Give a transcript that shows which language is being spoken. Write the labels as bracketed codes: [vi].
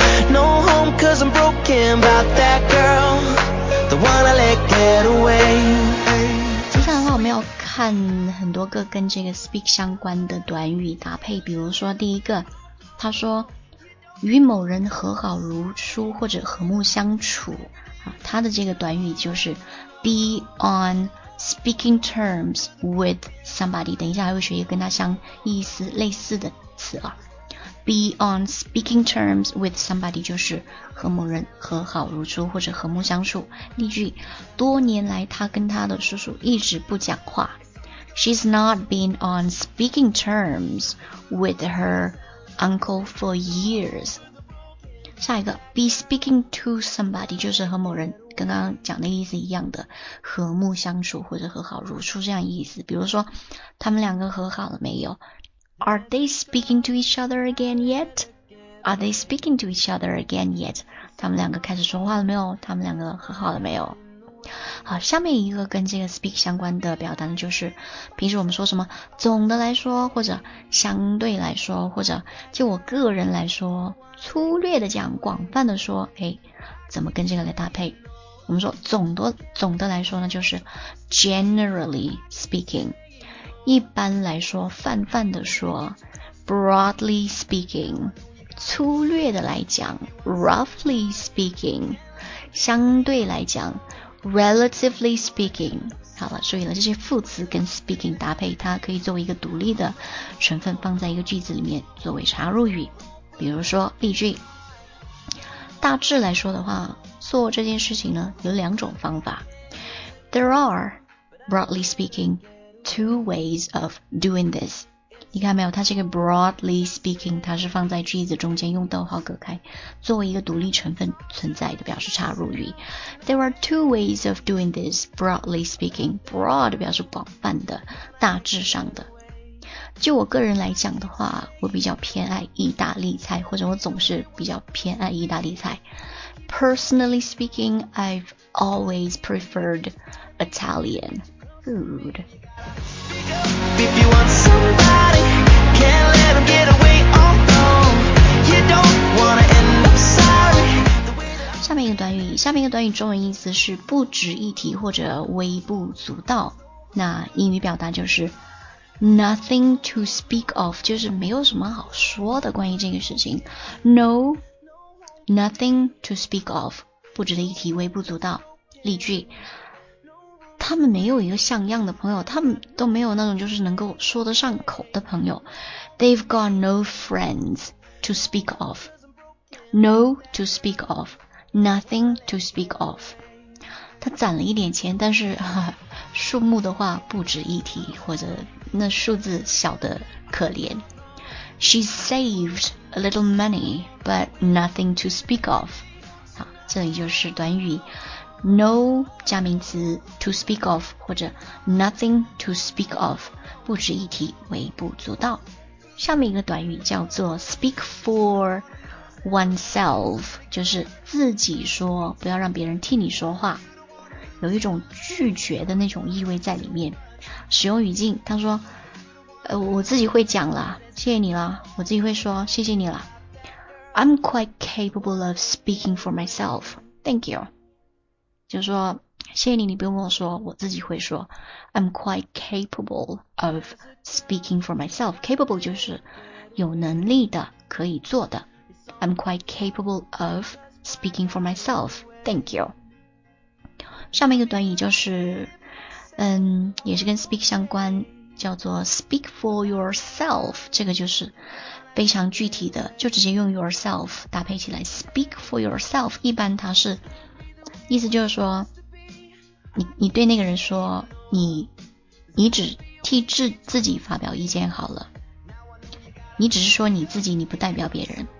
[en] No home 'cause I'm broken about that girl, the one I let get away. [zh] 我没有看很多个跟这个 speak 相关的短语搭配，比如说第一个，他说与某人和好如初或者和睦相处，他的这个短语就是 [en] be on speaking terms with somebody， [zh] 等一下还会学一个跟他相意思类似的词啊。 [en] be on speaking terms with somebody [zh] 就是和某人和好如初或者和睦相处。例句，多年来他跟他的叔叔一直不讲话。 [en] She's not been on speaking terms with her uncle for years. [zh] 下一个 [en] be speaking to somebody [zh] 就是和某人刚刚讲的意思一样的和睦相处或者和好如初这样意思。比如说他们两个和好了没有？ [en] Are they speaking to each other again yet? Are they speaking to each other again yet? [zh] 他们两个开始说话了没有？他们两个和好了没有？好，下面一个跟这个 speak 相关的表达就是平时我们说什么总的来说或者相对来说或者就我个人来说粗略的讲广泛的说，哎，怎么跟这个来搭配？我们说总的来说呢就是 [en] generally speaking， [zh] 一般来说泛泛的说 [en] broadly speaking， [zh] 粗略的来讲 [en] roughly speaking， [zh] 相对来讲 [en] relatively speaking。 [zh] 好了，注意了，这些副词跟 speaking 搭配，它可以作为一个独立的成分放在一个句子里面作为插入语。比如说例句，大致来说的话，做这件事情呢有两种方法。 [en] There are broadly speaking two ways of doing this。 [zh] 你看没有，它这个 [en] broadly speaking [zh] 它是放在句子中间用逗号隔开作为一个独立成分存在的，表示插入语。 [en] There are two ways of doing this broadly speaking. [zh] Broad 表示广泛的，大致上的。就我个人来讲的话，我比较偏爱意大利菜，或者我总是比较偏爱意大利菜。 [en] Personally speaking, I've always preferred Italian food. If you want somebody, can't let them get away on home. You don't wanna end up sorry. [zh] 下面一个短语，下面一个短语中文意思是不值一提或者微不足道。那英语表达就是 [en] nothing to speak of， [zh] 就是没有什么好说的关于这个事情。 [en] No, nothing to speak of， [zh] 不值一提，微不足道。例句。他们没有一个像样的朋友，他们都没有那种就是能够说得上口的朋友。 [en] They've got no friends to speak of. No to speak of. Nothing to speak of. [zh] 他攒了一点钱，但是数目的话不值一提，或者那数字小得可怜。 [en] She saved a little money, but nothing to speak of. [zh] 好，这里就是短语。 No 加名词 to speak of 或者 [en] nothing to speak of， [zh] 不值一提，微不足道。下面一个短语叫做 [en] speak for oneself， [zh] 就是自己说，不要让别人替你说话，有一种拒绝的那种意味在里面。使用语境，他说我自己会讲了，谢谢你了，我自己会说，谢谢你了。 [en] I'm quite capable of speaking for myself. Thank you. [zh] 就是说谢谢你，你不用跟我说，我自己会说。 [en] I'm quite capable of speaking for myself. [zh] Capable 就是有能力的，可以做的。 [en] I'm quite capable of speaking for myself. Thank you. [zh] 下面一个短语就是也是跟 speak 相关，叫做 [en] speak for yourself. [zh] 这个就是非常具体的，就直接用 yourself 搭配起来。 [en] speak for yourself [zh] 一般它是意思就是说，你对那个人说，你只替自己发表意见好了，你只是说你自己，你不代表别人。